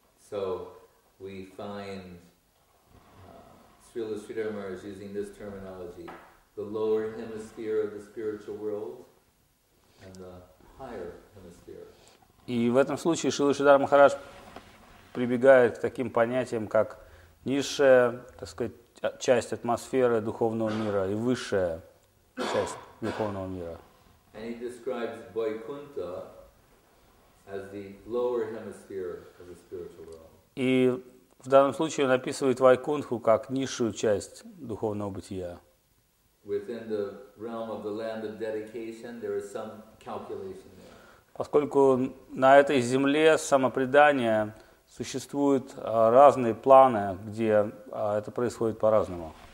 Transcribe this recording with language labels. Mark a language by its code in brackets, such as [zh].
[en] So we find Srila Sridhar Maharaj using this terminology: the lower hemisphere of the spiritual world and the higher hemisphere. [ru] И в этом случае Шрила Шридхар Махарадж прибегает к таким понятиям, как низшая, так сказать, часть атмосферы духовного мира и высшая часть духовного мира. [en] And he describes Vaikuntha as the lower hemisphere of the spiritual world. [ru] И в данном случае он описывает Вайкунху как низшую часть духовного бытия. [en] Within the realm of the land of dedication, there is some calculation there. [ru] Поскольку на этой земле самопредания существуют разные планы, где это происходит по-разному.